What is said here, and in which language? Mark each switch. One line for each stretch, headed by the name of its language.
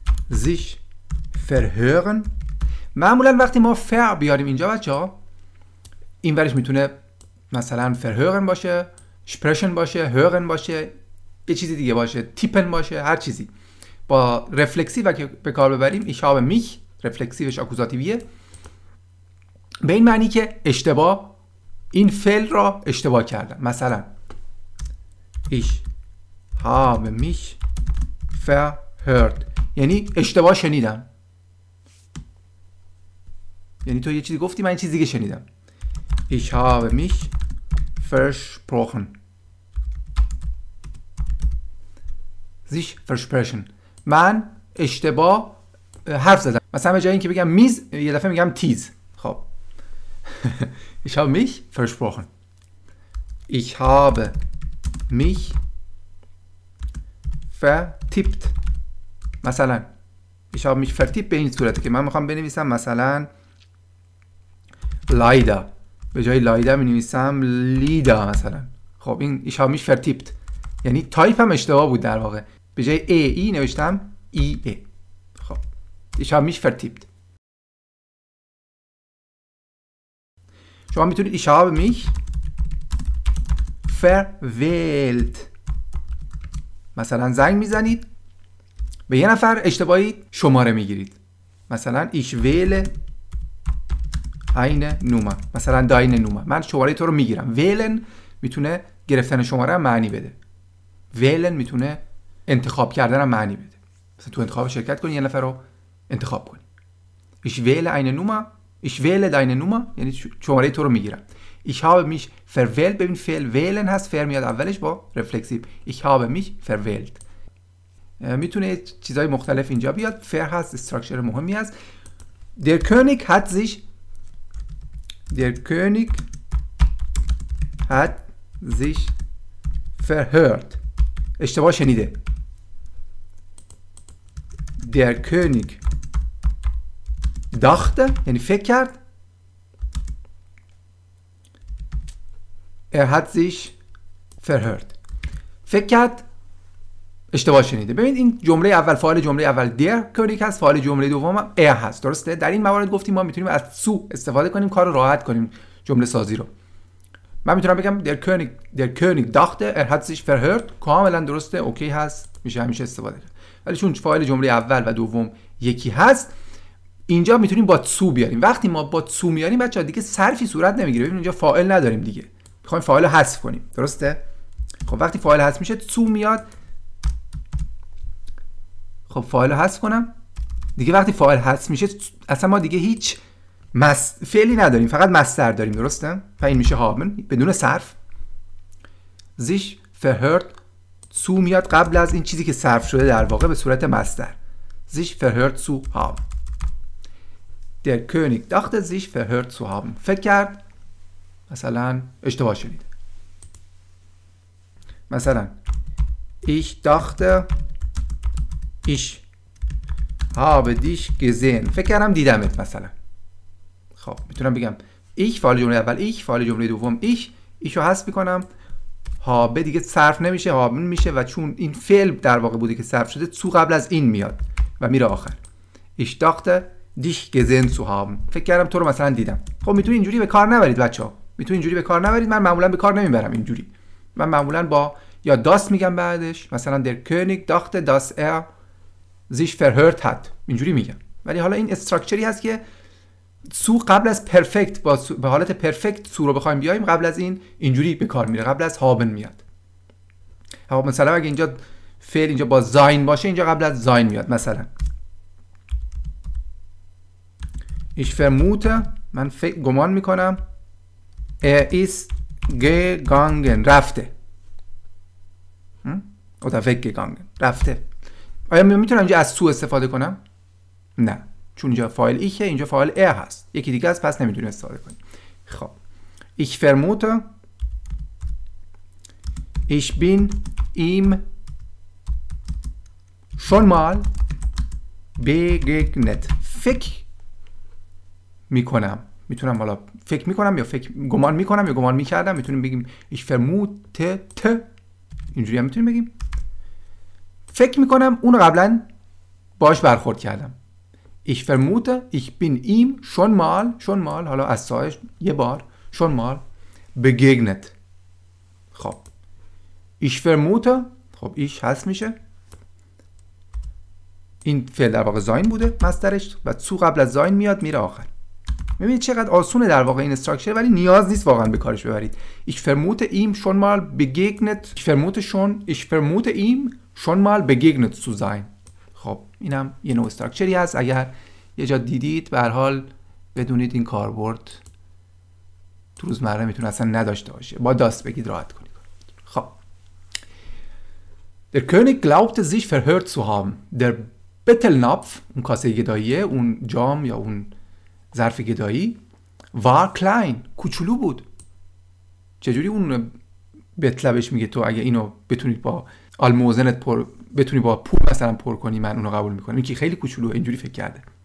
Persian: sich verhören معمولا وقتی ما فر بیاریم اینجا بچه ها، این ورش میتونه مثلا verhören باشه، sprechen باشه، hören باشه، یه چیزی دیگه باشه، tippen باشه، هر چیزی با رفلکسی و به کار ببریم.
German: ich habe mich
Persian: رفلکسیوش اکوزاتیویه، به این معنی که اشتباه، این فعل را اشتباه کردم.
German: مثلا ich habe mich verhört.
Persian: یعنی اشتباه شنیدم. یعنی تو یه چیزی گفتی، من یه چیزی دیگه شنیدم.
German: Ich habe mich versprochen.
Persian: Sich versprechen. من اشتباه حرف زدم. مثلا به جای اینکه بگم میز، یه دفعه میگم تیز. خب.
German: Ich habe mich versprochen. Ich habe mich vertippt.
Persian: مثلا
German: ich habe mich vertippt
Persian: به این صورته که من میخوام بنویسم مثلا Leider. به جای Leider می‌نویسم Lida مثلا.
German: خب این ich habe mich vertippt.
Persian: یعنی تایپ هم اشتباه بود در واقع. به جای ای ای نوشتم ای ای.
German: خب ich habe mich vertippt.
Persian: شما میتونید
German: ich habe mich verwählt.
Persian: مثلا زنگ میزنید به یه نفر اشتباهی شماره میگیرید.
German: مثلا ich wähle eine Nummer. مثلا deine Nummer.
Persian: من شماره تو رو میگیرم. wählen میتونه گرفتن شماره معنی بده. wählen میتونه انتخاب کردن معنی بده. مثلا تو انتخاب شرکت کنی یه نفر رو انتخاب کنی.
German: ich wähle eine Nummer. ich wähle deine Nummer.
Persian: یعنی شماره تو رو میگیرم.
German: ich habe mich verwählt.
Persian: ببین فعل wählen هست. فعل میاد اولش با reflexiv.
German: ich habe mich verwählt.
Persian: میتونه چیزهای مختلف اینجا بیاد. فر هست، استراکچر مهمی هست.
German: در کونیک هات زیش در کونیک هات زیش فرهرد.
Persian: اشتباه شنیده.
German: در کونیک داخته،
Persian: یعنی فکر کرد.
German: ار هات زیش فرهرد.
Persian: فکر کرد اشتباه شنیده. ببینید این جمله اول، فاعل جمله اول der König هست، فاعل جمله دوم هم er هست. درسته؟ در این موارد گفتیم ما میتونیم از zu استفاده کنیم، کار راحت کنیم جمله سازی رو. من میتونم بگم
German: der König dachte er hat sich verhört.
Persian: کاملا درسته، اوکی هست، میشه همیشه استفاده کرد. ولی چون فاعل جمله اول و دوم یکی هست، اینجا میتونیم با zu بیاریم. وقتی ما با zu میاریم بچه‌ها دیگه صرفی صورت نمیگیره. ببینید اینجا فاعل نداریم دیگه، میخوایم فاعل رو حذف کنیم. درسته؟ خب وقتی فاعل حذف میشه zu میاد. خب فاعل رو حذف کنم دیگه. وقتی فاعل حذف میشه اصلا ما دیگه هیچ فعلی نداریم، فقط مصدر داریم. درسته؟ پس این میشه haben بدون صرف.
German: sich verhört zu
Persian: میاد قبل از این چیزی که صرف شده در واقع به صورت مصدر.
German: sich verhört zu haben. der König dachte sich verhört zu haben.
Persian: فکر کرد مثلا اشتباه شنید.
German: مثلا ich dachte ich habe dich gesehen.
Persian: فکر کردم دیدمت مثلا. خب میتونم بگم ich فاعل جمله اول ich، فاعل جمله دوم ich. ich رو حذف میکنم. habe دیگه صرف نمیشه، haben میشه و چون این فعل در واقع بوده که صرف شده zu قبل از این میاد و میره آخر.
German: ich dachte dich gesehen zu haben.
Persian: فکر کردم تو رو مثلا دیدم. خب میتونی اینجوری به کار نبرید بچه‌ها. میتونی اینجوری به کار نبرید. من معمولا به کار نمیبرم اینجوری. من معمولا با یا das میگم بعدش.
German: مثلا der König dachte das er sich verhört hat.
Persian: اینجوری میگم. ولی حالا این استراکچری هست که سو قبل از پرفکت، به حالت پرفکت سو رو بخوایم بیایم، قبل از این اینجوری به کار میره. قبل از haben میاد. خب مثلا اگه اینجا فعل اینجا با sein باشه، اینجا قبل از sein میاد.
German: مثلا ich vermute،
Persian: من گمان میکنم
German: er ist gegangen.
Persian: رفته.
German: oder weggegangen.
Persian: رفته. آیا میتونم اینجا از سو استفاده کنم؟ نه، چون اینجا فاعل ایه، اینجا فاعل ا هست، یکی دیگه هست، پس نمیتونیم استفاده کنیم.
German: خب ich vermute ich bin ihm schon mal begegnet.
Persian: فکر میکنم، میتونم حالا فکر میکنم یا فکر گمان میکنم یا گمان میکردم. میتونیم بگیم
German: ich vermute t،
Persian: اینجوری هم میتونیم بگیم فکر میکنم اونو قبلا باش برخورد کردم.
German: ich vermute ich bin ihm schon mal
Persian: حالا از سایش یه بار
German: schon mal begegnet.
Persian: خب ich vermute، خب ich هست میشه، این فعل در واقع زاین بوده مسترش و تو قبل از زاین میاد میره آخر. میبینید چقدر آسونه در واقع این استراکچر، ولی نیاز نیست واقعا به کارش ببرید.
German: ich vermute ihm schon mal begegnet. ich vermute ihm schon mal begegnet zu sein.
Persian: خب اینم یه نوع استراکچری هست، اگر یه جا دیدید به هر حال بدونید این کاربرد تو روزمره میتونه اصلا نداشته باشه، با داست بگید راحت کنید.
German: خب Der König glaubte sich verhört zu haben.
Persian: Der Bettelnapf, اون کاسه گداییه، اون جام یا اون ظرف گدایی،
German: war klein،
Persian: کوچولو بود. چجوری اون بتلبش میگه تو اگه اینو بتونید با آلموزنت پر بتونی با پول مثلا پر کنی من اونو قبول میکنم، این که خیلی کوچولو، اینجوری فکر کرده.